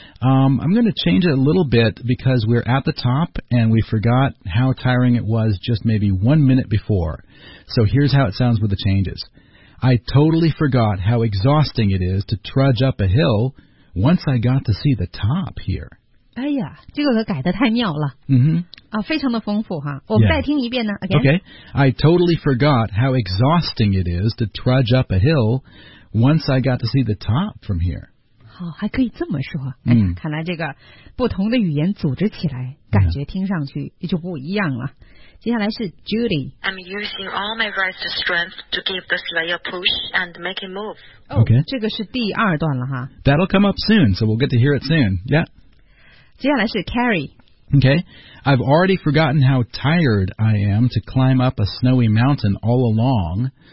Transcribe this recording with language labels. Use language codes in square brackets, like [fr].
[en] I'm going to change it a little bit because we're at the top and we forgot how tiring it was just maybe 1 minute before. So here's how it sounds with the changes. I totally forgot how exhausting it is to trudge up a hill once I got to see the top here. [zh] 哎呀，这个可改得太妙了。 Mm-hmm. 非常的丰富哈。我们再听一遍呢。 Again. [en] Okay. I totally forgot how exhausting it is to trudge up a hill once I got to see the top from here. [zh] 好，还可以这么说。看来这个不同的语言组织起来，感觉听上去也就不一样了。接下来是 Judy. [en] I'm using all my right strength to give the sleigh a push and make it move. Okay. [zh] 这个是第二段了哈。 [en] That'll come up soon, so we'll get to hear it soon. Yeah. [zh] 接下来是 Carrie. [en] Okay. I've already forgotten how tired I am to climb up a snowy mountain all along.